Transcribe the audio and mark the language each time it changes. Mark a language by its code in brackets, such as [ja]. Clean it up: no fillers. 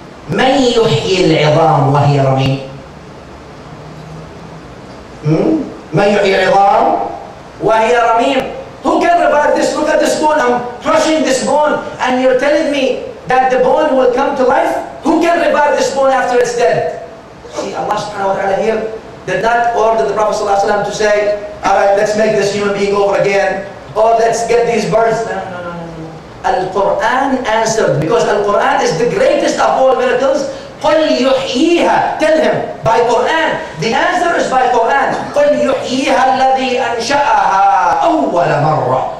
[ar] من يحيي العظام وهي رميم؟ من يحيي العظام وهي رميم؟ [en] Who can revive this? Look at this bone. I'm crushing this bone, and you're telling me that the bone will come to life? Who can revive this bone after it's dead? See, Allah subhanahu wa ta'ala here did not order the Prophet sallallahu alaihi wasallam to say, "All right, let's make this human being over again," or "Let's get these birds." No, no, no, no. Al-Quran answered, because Al-Quran is the greatest of all miracles. [ar] قل يحييها. [en] Tell him by Quran. The answer is by Quran. [ar] قل يحييها الذي أنشأها أول مرة.